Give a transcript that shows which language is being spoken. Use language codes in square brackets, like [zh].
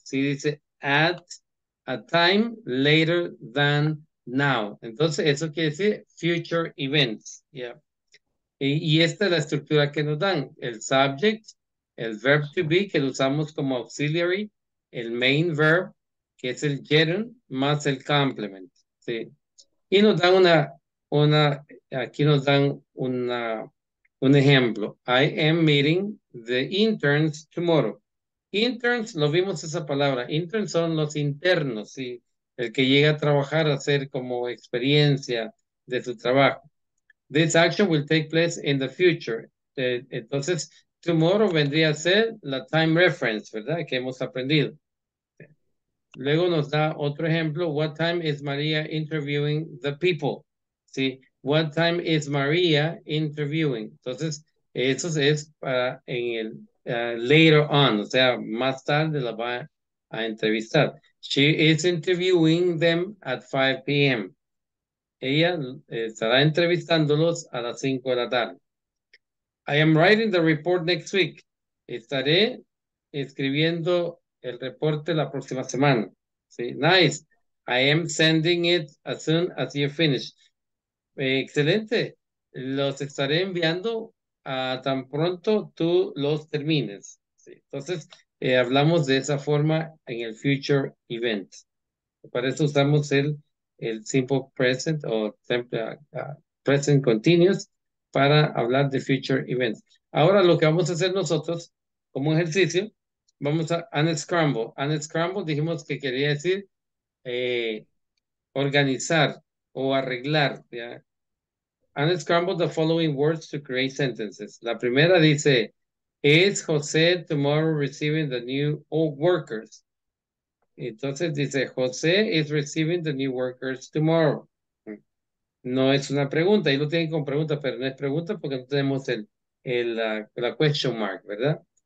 [es] Sí, dice [en] at a time later than now. [es] Entonces, eso quiere decir [en] future events. Yeah. [es] Y esta es la estructura que nos dan, el subject, el verb to be, que lo usamos como auxiliary, el main verb, que es el gerund, más el complement. ¿Sí? Y nos dan un ejemplo. [en] I am meeting the interns tomorrow. [es] Interns, lo vimos esa palabra, interns son los internos, ¿sí? El que llega a trabajar, a hacer como experiencia de su trabajo. [en] This action will take place in the future. [es] Entonces, tomorrow vendría a ser la time reference, ¿verdad? Que hemos aprendido. Luego nos da otro ejemplo. [en] What time is Maria interviewing the people? [es] ¿Sí? [en] What time is Maria interviewing? [es] Entonces, eso es para en el later on. O sea, más tarde la va a entrevistar. [en] She is interviewing them at 5 p.m. [es] Ella estará entrevistándolos a las 5 de la tarde. [en] I am writing the report next week. [es] Estaré escribiendo el reporte la próxima semana. ¿Sí? [en] Nice. I am sending it as soon as you finish. [es] Excelente. Los estaré enviando a tan pronto tú los termines. ¿Sí? Entonces, hablamos de esa forma en el future event. Para eso usamos el simple present o present continuous para hablar de future events. Ahora lo que vamos a hacer nosotros como ejercicio, vamos a unscramble. Unscramble dijimos que quería decir organizar o arreglar. ¿Ya? [en] Unscramble the following words to create sentences. [es] La primera dice, [en] is José tomorrow receiving the new old workers? [es] Entonces dice, [en] José is receiving the new workers tomorrow. [es] No es una pregunta, ahí lo tienen con pregunta, pero no es pregunta porque no tenemos la question mark, ¿verdad?